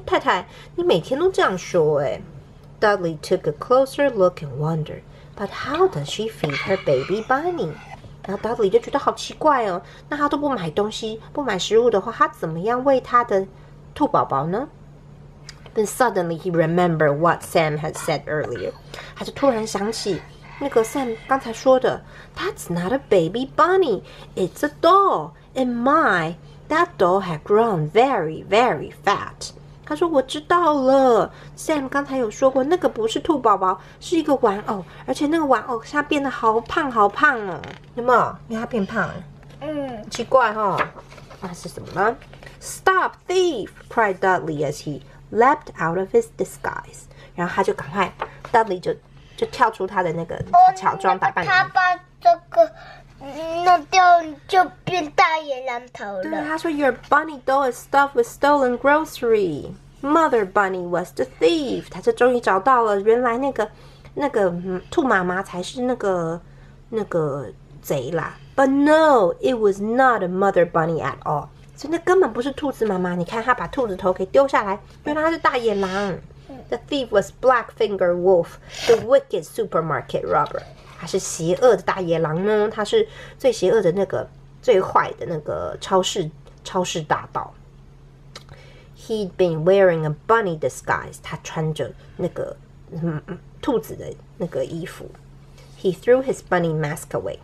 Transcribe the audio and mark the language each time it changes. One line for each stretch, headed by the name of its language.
Chinese: 太太你每天都这样说耶。
English: Dudley took a closer look and wondered,But how does she feed her baby bunny?
Chinese: 然后 Dudley 就觉得好奇怪哦，那他都不买东西，不买食物的话，他怎么样喂他的兔宝宝呢？
English: Then suddenly he remembered what Sam had said earlier.
Chinese: 他就突然想起那个 Sam 刚才说的 ，
English: That's not a baby bunny, it's a doll. And my, that doll had grown very, very fat.
Chinese: 他说我知道了 ，Sam 刚才有说过，那个不是兔宝宝，是一个玩偶，而且那个玩偶现在变得好胖好胖哦，有没有？因为它变胖了，奇怪哈、哦，那是什么呢
English: ？Stop thief! Cried Dudley as he leapt out of his disguise.
Chinese: 然后他就赶快 ，Dudley 就跳出他的那个乔装打扮，他把这个。弄掉就变大野狼头了。对，他说
English: ，Your bunny doll is stuffed with stolen grocery. Mother bunny was the thief.
Chinese: 他就终于找到了，原来那个兔妈妈才是那个贼啦。
English: But no, it was not a mother bunny at all.
Chinese: 所以那根本不是兔子妈妈。你看他把兔子头给丢下来，原来他是大野狼。
English: The thief was Black Finger Wolf, the wicked supermarket robber.
Chinese: 他是邪恶的大野狼呢，他是最邪恶的那个最坏的那个超市大盗。
English: He'd been wearing a bunny disguise.
Chinese: 他穿着那个兔子的那个衣服。
English: He threw his bunny mask away.